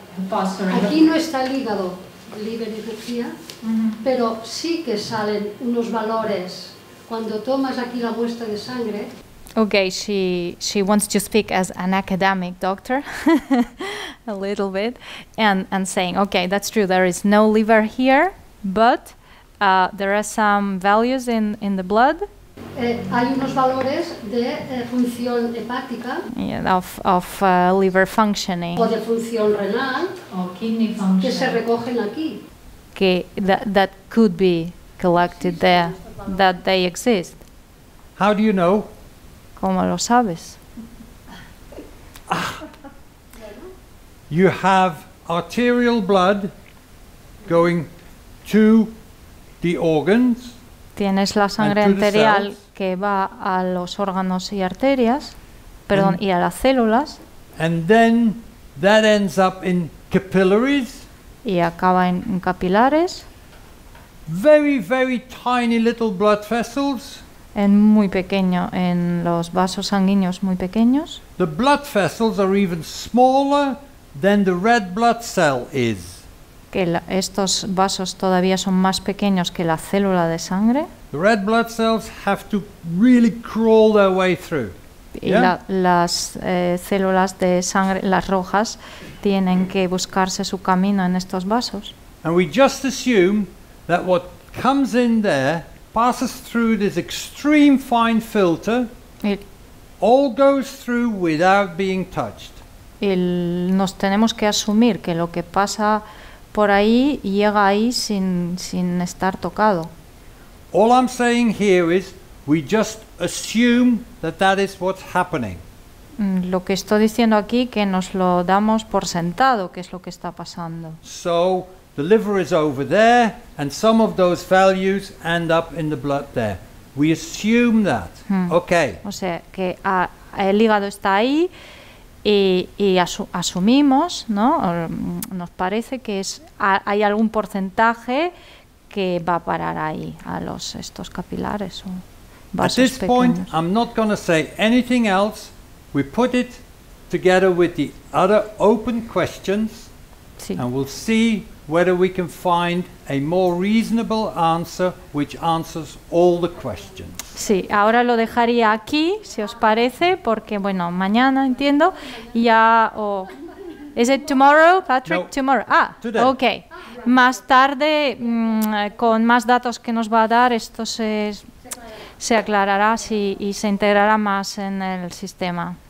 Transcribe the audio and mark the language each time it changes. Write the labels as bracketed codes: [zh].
[es] Aquí no está el hígado, liver y energía, pero sí que salen unos valores cuando tomas aquí la muestra de sangre. [en] Okay, she wants to speak as an academic doctor a little bit and saying, okay, that's true, there is no liver here, but there are some values in the blood. [es] Hay unos valores de función hepática. [en] Yeah, of liver functioning. [es] O de función renal. [en] O kidney function. [es] Que se recogen aquí. [en] Que that could be collected there, that they exist. How do you know? [es] ¿Cómo lo sabes? [en] You have arterial blood going to the organs. [es] Tienes la sangre arterial que va a los órganos y arterias, perdón, y a las células. [en] And then that ends up in capillaries. [es] Y acaba en capilares. [en] Very, very tiny little blood vessels. [es] En muy pequeño, en los vasos sanguíneos muy pequeños. [en] The blood vessels are even smaller than the red blood cell is. [es] Que estos vasos todavía son más pequeños que la célula de sangre. [en] The red blood cells have to really crawl their way through. Y yeah? [es] Las células de sangre, las rojas, tienen que buscarse su camino en estos vasos. [en] And we just assume that what comes in there passes through this extreme fine filter, all goes through without being touched. [es] Y nos tenemos que asumir que lo que pasa por ahí llega ahí sin estar tocado. [en] All I'm saying here is we just assume that that is what's happening. [es] Lo que estoy diciendo aquí que nos lo damos por sentado, que es lo que está pasando. [en] So the liver is over there, and some of those values end up in the blood there. We assume that. Okay. [es] O sea, que el hígado está ahí y asumimos, ¿no? Nos parece que hay algún porcentaje que va a parar ahí, a estos capilares o vasos pequeños. [en] At this point, I'm not going to say anything else. We put it together with the other open questions, [es] sí. [en] And we'll see whether we can find a more reasonable answer which answers all the questions. [es] Sí, ahora lo dejaría aquí, si os parece, porque bueno, mañana entiendo ya o [en] oh, is it tomorrow, Patrick? No, tomorrow. Ah, today. Okay. [es] Más tarde con más datos que nos va a dar, esto se aclarará y se integrará más en el sistema.